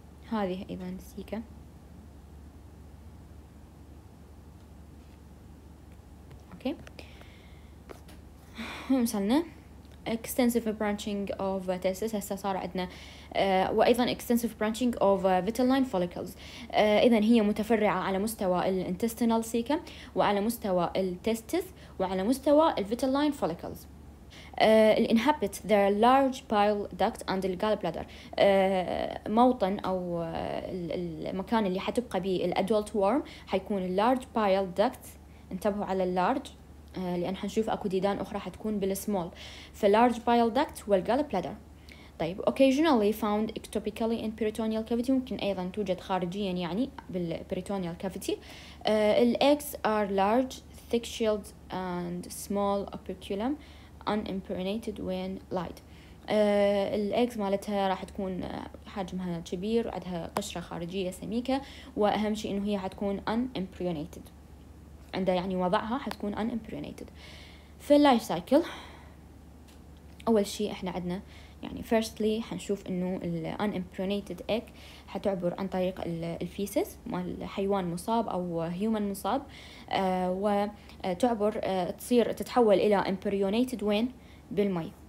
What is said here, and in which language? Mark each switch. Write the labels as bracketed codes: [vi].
[ar] هذه ايضا سيكا اوكي وصلنا [en] extensive branching of testis [ar] هسه صار عندنا وايضا [en] extensive branching of vitelline follicles. [ar] اذا هي متفرعه على مستوى الانتستينال سيكا وعلى مستوى التستس وعلى مستوى الفيتلاين فوليكلز. [en] Inhabit their large bile duct and the gallbladder. [ar] موطن أو المكان اللي حتبقى به الأدولت ورم حيكون [en] large bile duct. [ar] انتبهوا على large لأن حنشوف أكو ديدان أخرى حتكون بالsmall. ف [en] large bile duct [ar] والgallbladder. طيب [en] occasionally found ectopically in peritoneal cavity، [ar] ممكن أيضا توجد خارجيا يعني بالperitoneal cavity. [en] The eggs are large, thick shield and small operculum. unimpregnated when light. [ar] الإيجز مالتها راح تكون حجمها كبير وعندها قشرة خارجية سميكة، وأهم شيء إنه هي حتكون unimpregnated عندها، يعني وضعها حتكون unimpregnated. في اللايف سايكل أول شيء إحنا عندنا يعني firstly حنشوف إنه ال unimpregnated egg حتعبر عن طريق الفيسس مال حيوان مصاب أو human مصاب، وتعبر تصير تتحول إلى impregnated وين؟ بالماء.